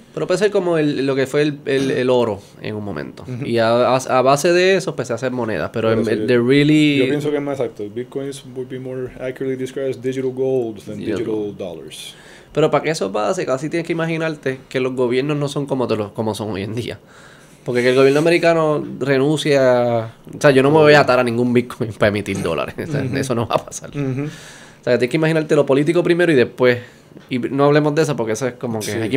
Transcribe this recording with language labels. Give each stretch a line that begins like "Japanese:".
Spanish: Pero puede ser como lo que fue el oro en un momento. Y a base de eso, pues se hacen monedas. Pero yo pienso que es más exacto.
English: Bitcoin would be more accurately described as digital gold than digital dollars.
Spanish: Pero para que eso pase, casi tienes que imaginarte que los gobiernos no son como son hoy en día. Porque que el gobierno americano renuncie a... O sea, yo no me voy a atar a ningún Bitcoin para emitir dólares. O sea, uh-huh. Eso no va a pasar. Uh-huh. O sea, tienes que imaginarte lo político primero y después. Y no hablemos de eso porque eso es como que, sí.